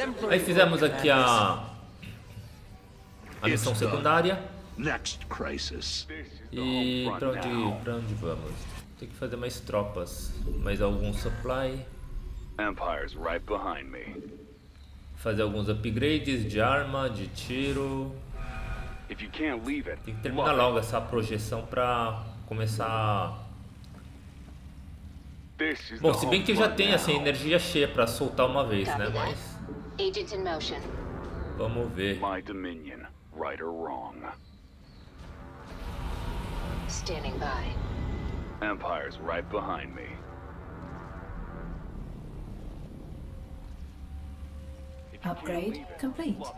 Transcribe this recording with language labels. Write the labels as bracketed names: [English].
[Portuguese] Aí fizemos aqui a missão secundária. [English] Next crisis. [Portuguese] E pra onde vamos? Tem que fazer mais tropas, mais algum supply. [English] Empire's right behind me. [Portuguese] Fazer alguns upgrades de arma, de tiro. [English] If you can't leave it, [Portuguese] tem que terminar logo essa projeção pra começar. Bom, se bem que eu já tenho assim, energia cheia pra soltar uma vez, né? Mas. [English] Agent in motion. [Portuguese] Vamos ver. [English] My dominion, right or wrong. Standing by. Empire's right behind me. Upgrade complete.